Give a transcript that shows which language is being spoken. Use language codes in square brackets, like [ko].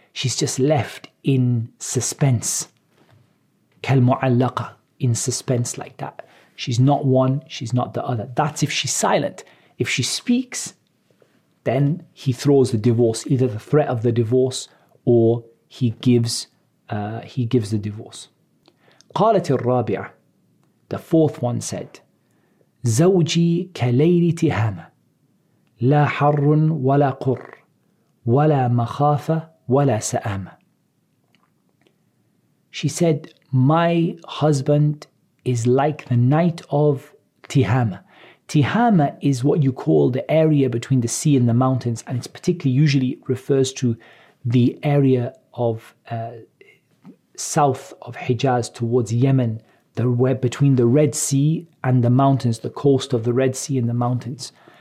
[en] She's just left in suspense. كالمعلقة, in suspense like that. She's not one, she's not the other. That's if she's silent. If she speaks, then he throws the divorce, either the threat of the divorce or he gives the divorce. [ar] قالت الرابعة, [en] the fourth one said, [ar] زوجي كليل تهامة لا حر ولا قر ولا مخافة ولا سآمة. [en] She said, my husband is like the night of Tihama. Tihama is what you call the area between the sea and the mountains, and it's particularly usually refers to the area of south of Hijaz towards Yemen, the web between the Red Sea and the mountains, the coast of the Red Sea and the mountains.